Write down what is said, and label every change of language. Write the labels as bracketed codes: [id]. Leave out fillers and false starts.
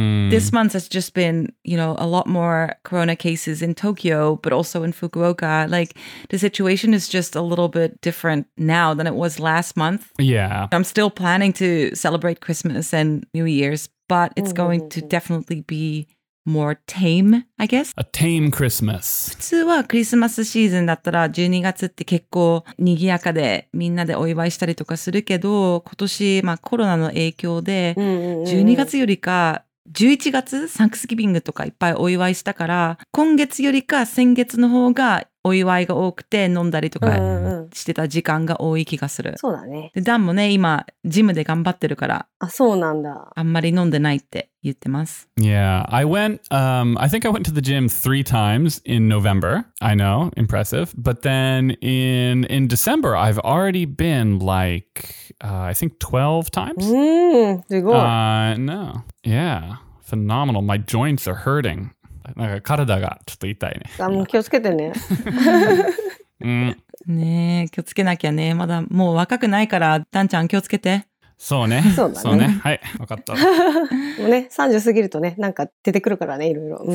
[en] This month has just been, you know, a lot more corona cases in Tokyo, but also in Fukuoka. Like the situation is just a little bit different now than it was last month. Yeah. I'm still planning to celebrate Christmas and New Year's, but it's going to definitely be more tame, I guess. A tame Christmas. [ja] 普通はクリスマスシーズンだったら12月って結構賑やかでみんなでお祝いしたりとかするけど、今年、まあ、コロナの影響で12月よりか11月サンクスギビングとかいっぱいお祝いしたから、今月よりか先月の方がお祝いが多くて飲んだりとかしてた時間が多い気がする。そうだね。でダンもね、今ジムで頑張ってるから。あ、そうなんだ。あんまり飲んでないって言ってます。 [en] Yeah, I went. I think I went to the gym 3 times in November. I know, impressive. But then in December, I've already been like, I think 12 times. [ja] すごい。 [en] No. Yeah, phenomenal. My joints are hurting. [ja] なんか体がちょっと痛いね。あ、もう気をつけてね。ねえ、気をつけなきゃね。まだもう若くないから、ダンちゃん気をつけて。そうね。そうだね。そうね。はい、分かった。もうね、30過ぎるとね、なんか出てくるからね、いろいろ。う